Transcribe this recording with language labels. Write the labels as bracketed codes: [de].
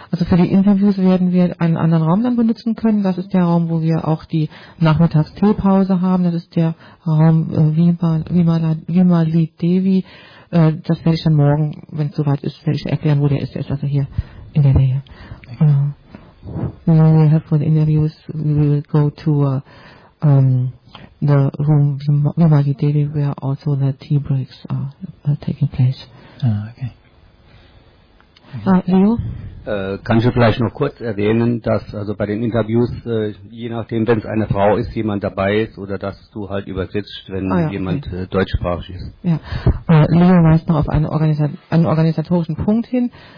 [de] Also für die Interviews werden wir einen anderen Raum dann benutzen können. Das ist der Raum, wo wir auch die Nachmittagsteepause haben. Das ist der Raum Vimali Devi. Das werde ich dann morgen, wenn es soweit ist, werde ich erklären, wo der ist. Der ist also hier in der Nähe. Okay. [en] For the interviews, we will go to the room Vimali Devi, where also the tea breaks are taking place. Okay. Leo? [de] Kann ich vielleicht noch kurz erwähnen, dass also bei den Interviews, je nachdem, wenn es eine Frau ist, jemand dabei ist, oder dass du halt übersetzt, wenn jemand deutschsprachig ist. Ja. Leo weist noch auf einen organisatorischen Punkt hin.